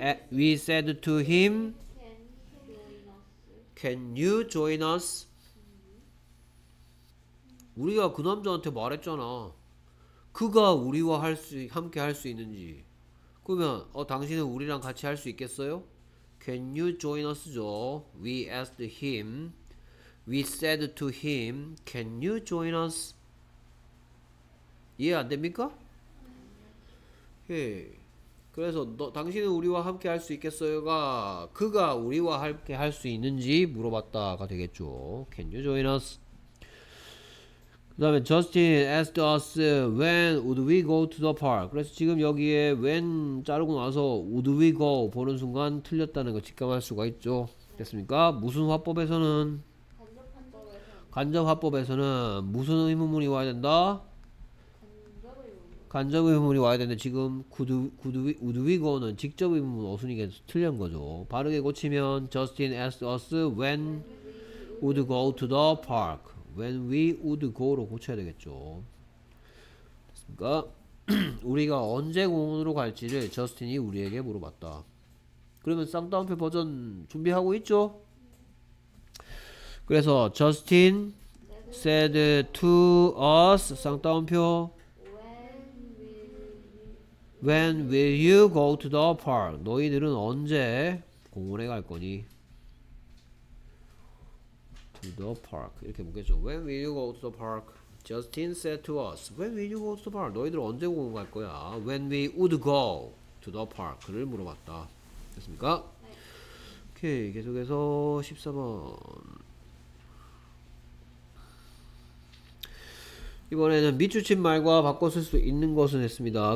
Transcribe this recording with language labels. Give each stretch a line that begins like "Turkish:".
English: We said to him, Can you join us?
Korean: 우리가 그 남자한테 말했잖아. 그가 우리와 함께 할수 있는지. 그러면 당신은 우리랑 같이 할수 있겠어요?
English: Can you join us
Korean: 죠?
English: We asked him. We said to him, Can you join us?
Korean: 이해 안 됩니까? 예. 그래서 당신은 우리와 함께 할수 있겠어요가 그가 우리와 함께 할수 있는지 물어봤다가 되겠죠.
English: Can you join us? 그 다음에 Justin asked us when would we go to the park?
Korean: 그래서 지금 여기에 when 자르고 나서 would we go 보는 순간 틀렸다는 걸 직감할 수가 있죠. 됐습니까? 무슨 화법에서는 간접 화법에서는 무슨 의문문이 와야 된다? 간접 의문문이 와야 되는데 지금 would we go는 직접 의문문 어순이겠어 틀린 거죠. 바르게 고치면
English: Justin asked us when would go to the park. When we would go로
Korean: 고쳐야 되겠죠. 됐습니까? 우리가 언제 공원으로 갈지를 저스틴이 우리에게 물어봤다. 그러면 쌍따옴표 버전 준비하고 있죠? 그래서
English: 저스틴 said to us
Korean: 쌍따옴표
English: When will you go to the park?
Korean: 너희들은 언제 공원에 갈 거니?
English: To the park
Korean: 이렇게 묻겠죠.
English: When will you go to the park? Justin said to us, When will you go to the park?
Korean: 너희들 언제 공원 갈 거야?
English: When we would go to the park를
Korean: 물어봤다. 됐습니까? 오케이 계속해서 14번. 이번에는 미추친 말과 바꿔 쓸수 있는 것은 했습니다.